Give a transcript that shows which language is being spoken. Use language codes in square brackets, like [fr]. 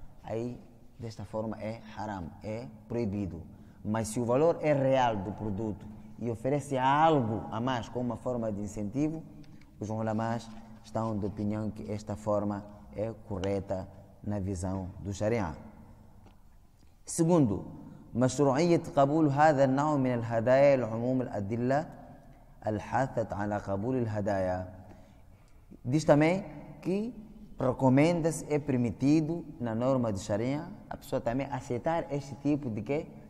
[pt] Aí, desta forma, é haram, é proibido. Mas se o valor é real do produto e oferece algo a mais como uma forma de incentivo, os ulamás estão de opinião que esta forma é correta na visão do Sharia. Segundo, [ar] مشروعية قبول هذا النوع من الهدايا لعموم الأدلة الحاثة على قبول الهدايا. [pt] Diz também que Recomenda-se, é permitido na norma de Sharia a pessoa também aceitar este tipo de quê?